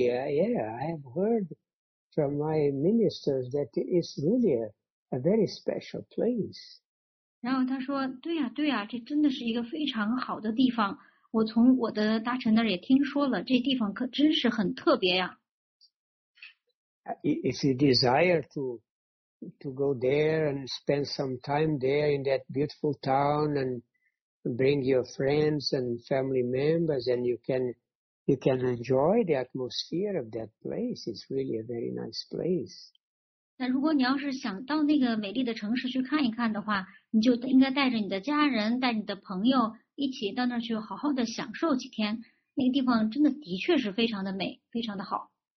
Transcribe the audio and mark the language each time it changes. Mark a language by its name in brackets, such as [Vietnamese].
[English] Yeah, I have heard from my ministers that it is really a very special place. [Chinese] 然后他说，对呀，对呀，这真的是一个非常好的地方。我从我的大臣那儿也听说了，这地方可真是很特别呀。 [English] If you desire to go there and spend some time there in that beautiful town and bring your friends and family members, and you can enjoy the atmosphere of that place. It's really a very nice place. [Chinese] 那如果你要是想到那个美丽的城市去看一看的话，你就应该带着你的家人，带你的朋友一起到那儿去好好的享受几天。那个地方真的的确是非常的美，非常的好。